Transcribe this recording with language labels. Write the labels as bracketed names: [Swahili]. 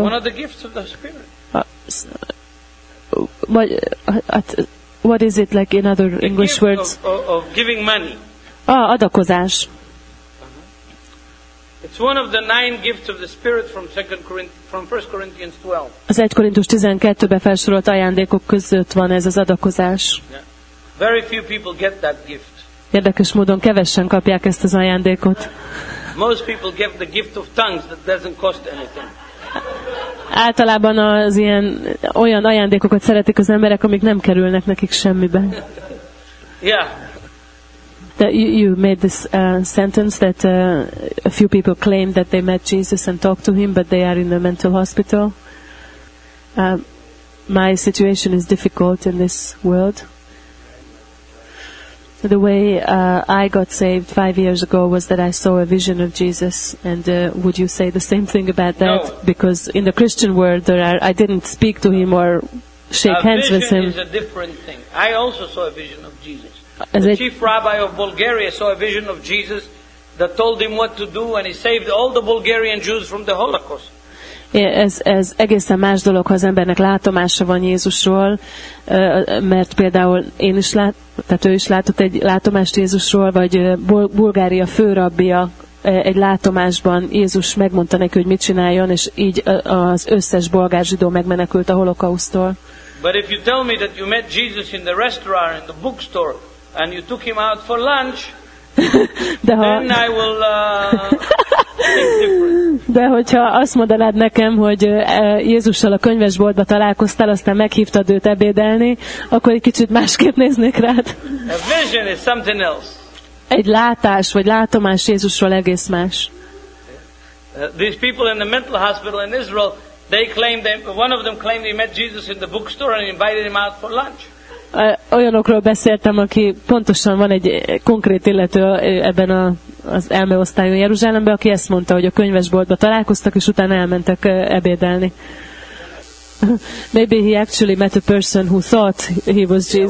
[English] It's one of the gifts of the Spirit. What is it like in other English words? Of giving money. [Hungarian] Ah, adakozás. [English] It's one of the 9 gifts of the Spirit from 1 Corinthians 12. [Hungarian] Az 1 Korintus 12-ben felsorolt ajándékok között van ez az adakozás. [English] Yeah. Very few people get that gift. [Hungarian] Érdekes módon kevesen kapják ezt az ajándékot. [English] Most people get the gift of tongues that doesn't cost anything. [Hungarian] Általában az ilyen olyan ajándékokat szeretik az emberek, amik nem kerülnek nekik semmibe. [English] Yeah. That you made this sentence that a few people claim that they met Jesus and talked to him, but they are in a mental hospital. My situation is difficult in this world. The way I got saved 5 years ago was that I saw a vision of Jesus. And would you say the same thing about that? No. Because in the Christian world, I didn't speak to him or shake hands with him. A vision is a different thing. I also saw a vision of Jesus. Chief rabbi of Bulgaria saw a vision of Jesus that told him what to do, and he saved all the Bulgarian Jews from the Holocaust. [Hungarian] Ez egészen más dolog, ha az embernek látomása van Jézusról, mert például én is tehát ő is látott egy látomást Jézusról, vagy Bulgária főrabbia egy látomásban Jézus megmondta neki, hogy mit csináljon, és így az összes bolgár zsidó megmenekült a holokausztól. [English] But if you tell me that you met Jesus in the restaurant, in the bookstore, and you took him out for lunch, then I will... [Hungarian] De hogyha azt mondanád nekem, hogy Jézussal a könyvesboltba találkoztál, aztán meghívtad őt ebédelni, akkor egy kicsit másképp néznék rád. [English] A vision is something else. [Hungarian] Egy látás vagy látomás Jézusról egész más. [English] These people in the mental hospital in Israel, they claim that one of them claimed he met Jesus in the bookstore and invited him out for lunch. [Hungarian] Olyanokról beszéltem, aki pontosan van egy konkrét illető ebben az elmeosztályú Jeruzsálemben, aki ezt mondta, hogy a könyvesboltba találkoztak, és utána elmentek ebédelni. [English] Maybe he actually met a person who thought he was Jesus.